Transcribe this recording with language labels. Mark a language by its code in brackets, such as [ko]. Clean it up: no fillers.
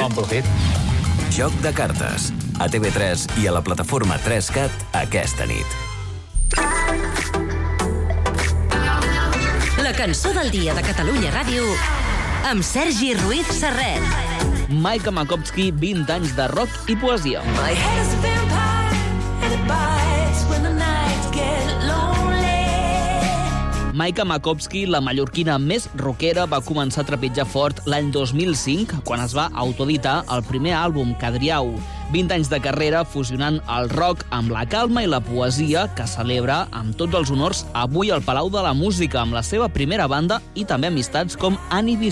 [ca] Bon profit. Joc de cartes. A TV3 i a la plataforma 3CAT aquesta nit. Cançó del dia de Catalunya Ràdio amb Sergi Ruiz Serret. Maika Makovsky, 20 anys de rock i poesia. [en] My head is a vampire and it bites when the nights get lonely. [ca] Maika Makovsky, la mallorquina més rockera, va començar a trepitjar fort l'any 2005 quan es va autoeditar el primer àlbum Cadriau. 20 anys de carrera fusionant el rock amb la calma i la poesia que celebra amb tots els honors avui al Palau de la Música amb la seva primera banda i també amistats com Annie B.